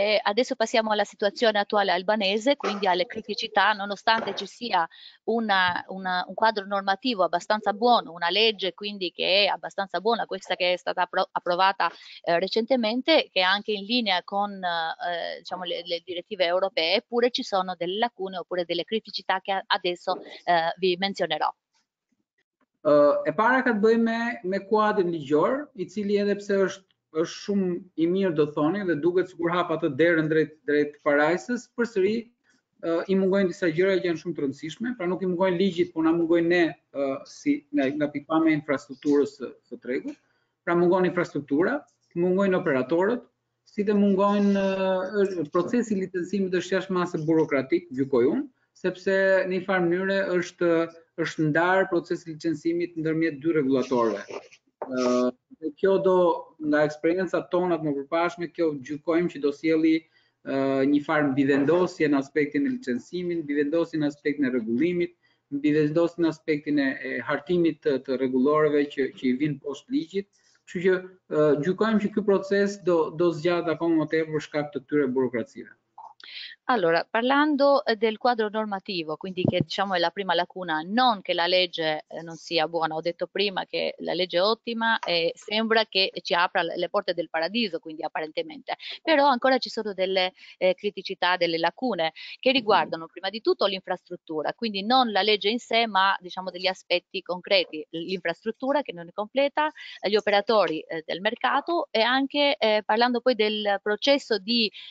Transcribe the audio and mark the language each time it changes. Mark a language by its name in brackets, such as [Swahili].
[Italian] Adesso passiamo alla situazione attuale albanese, quindi alle criticità, nonostante ci sia un quadro normativo abbastanza buono, una legge quindi che è abbastanza buona, questa che è stata approvata recentemente, che è anche in linea con diciamo, le direttive europee, eppure ci sono delle lacune oppure delle criticità che adesso vi menzionerò. [Albanian] E para ka të bëj me kuadrin ligjor, i cili edhe pse është shumë i mirë do thoni dhe duket sikur hap atë derën drejt parajsës, përsëri i mungojnë disa gjëra që janë shumë të rëndësishme, pra nuk i mungojnë ligjit, por na mungojnë ne si nga pikpamja e infrastrukturës së tregut. Pra mungon infrastruktura, mungojnë operatorët, si dhe mungojnë procesi i licencimit është jashtë masë burokratik, gjykoj unë, sepse në një farë mënyrë është ndarë procesi i licencimit ndërmjet dy rregullatorëve. Dhe kjo do, nga eksperiencat tonat më përpashme, kjo gjykojmë që do sjelli një farë mbivendosje në aspektin e licencimit, mbivendosje në aspektin e rregullimit, mbivendosje në aspektin e hartimit të rregulloreve që i vinë poshtë ligjit. Kështu që gjykojmë që ky proces do zgjat akoma më tepër për shkak të këtyre burokracive. [Italian] Allora, parlando del quadro normativo, quindi che diciamo è la prima lacuna, non che la legge non sia buona, ho detto prima che la legge è ottima e sembra che ci apra le porte del paradiso, quindi apparentemente, però ancora ci sono delle criticità, delle lacune che riguardano prima di tutto l'infrastruttura, quindi non la legge in sé, ma diciamo degli aspetti concreti, l'infrastruttura che non è completa, gli operatori del mercato e anche parlando poi del processo di